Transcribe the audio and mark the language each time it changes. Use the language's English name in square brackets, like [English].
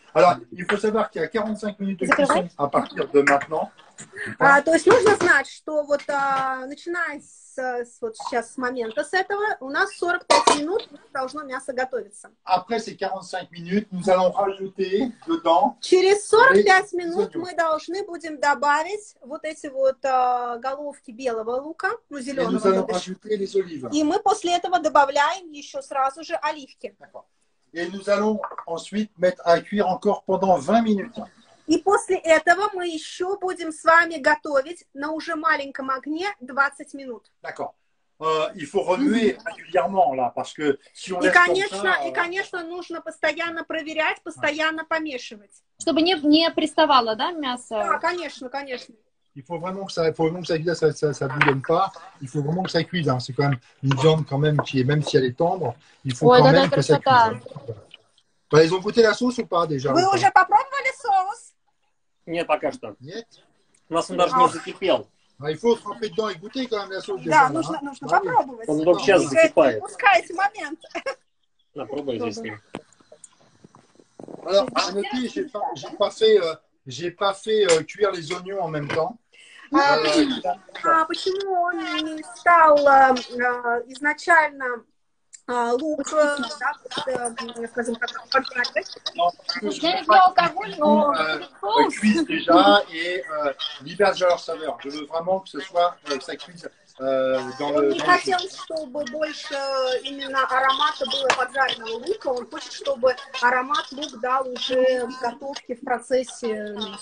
[French] Alors, il faut savoir qu'il y a 45 minutes de cuisson à partir de maintenant. [Russian] То есть нужно знать, что вот начиная с вот сейчас с момента с этого, у нас 45 минут должно мясо готовиться. [French] Après ces 45 minutes, nous allons rajouter dedans. [Russian] Через 45 минут мы должны будем добавить вот эти вот головки белого лука, ну зеленого. [French] Nous allons rajouter les olives. [Russian] И мы после этого добавляем еще сразу же оливки. [French] Et nous allons ensuite mettre à cuire encore pendant 20 minutes. [Russian] И после этого мы еще будем с вами готовить на уже маленьком огне 20 минут. [French] D'accord. Il faut remuer régulièrement là, parce que si on. [Russian] И конечно, и конечно, нужно постоянно проверять, постоянно помешивать. Чтобы не приставало, да, мясо. Да, конечно, конечно. [French] Il faut vraiment que ça, ça bouillonne pas. Il faut vraiment que ça cuise. Hein. C'est quand même une viande quand même qui est, même si elle est tendre, il faut quand même que ça cuise. Hein. Bah, ils ont goûté la sauce ou pas déjà? [Russian] Вы уже попробовали соус? Нет, пока что. Нет? У нас он даже не закипел. А [French] il faut tremper dedans et goûter quand même la sauce. [Russian] Да, [French] déjà, [Russian] нужно а? Попробовать. Он только сейчас закипает. Пускайте момент. Попробуй здесь. [French] Alors, à noter, j'ai pas fait cuire les oignons en même temps. [Russian] Почему он не стал изначально? [French] Cuise déjà et libère leur saveur. Je veux vraiment que ce soit que ça cuise [Russian] Он не хотел, чтобы больше именно аромата было поджаренного лука, он хочет, чтобы аромат лук дал уже в готовке, в процессе.